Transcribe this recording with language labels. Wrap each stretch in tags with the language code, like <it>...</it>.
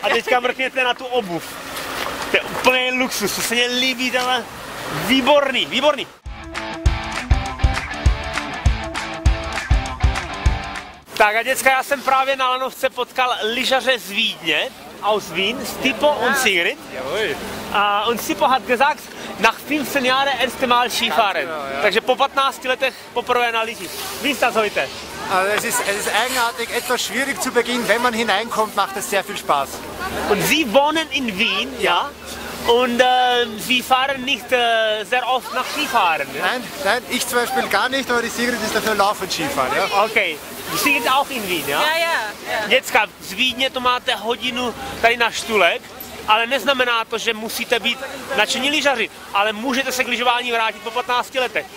<cs>A teďka mrkněte na tu obuv. To je úplně luxus, to se mě líbí, tenhle. Výborný, výborný. Tak a děcka, já jsem právě na lanovce potkal lyžaře z Vídně.</cs> <de>Aus Wien, Stipo und Sigrid. Und Stipo hat gesagt, nach 15 Jahren erste Mal Skifahren.</de> <cs>Takže po 15 letech poprvé na lyži.</cs> <de>Wie ist das heute? Also es ist eigenartig, etwas schwierig zu beginnen, wenn man hineinkommt, macht es sehr viel Spaß. Und Sie wohnen in Wien, ja? Und Sie fahren nicht sehr oft nach Skifahren? Ja? Nein, ich zum Beispiel gar nicht, aber die Sigrid ist dafür laufend Skifahren. Ja? Okay. Sigrid auch in Wien, ja? Ja, ja.</de> <cs>Děcka, z Vídně to máte hodinu tady na Štulek, ale neznamená to, že musíte být nadšení lyžaři, ale můžete se k lyžování vrátit po 15 letech.</cs>